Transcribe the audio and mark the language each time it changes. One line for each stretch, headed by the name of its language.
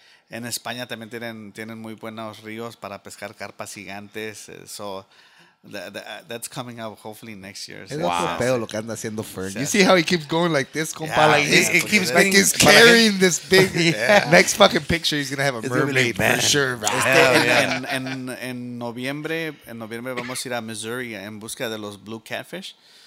Spanish: En España también tienen muy buenos ríos para pescar carpas gigantes.
English: So that's coming up hopefully next year.
Spanish: Es un pedo lo que anda haciendo Fern.
English: You see how he keeps going like this, compa? Yeah, like yeah, it keeps like he's carrying this big next fucking picture. He's gonna have a mermaid for sure.
Spanish: En noviembre vamos a ir a Missouri en busca de los blue catfish.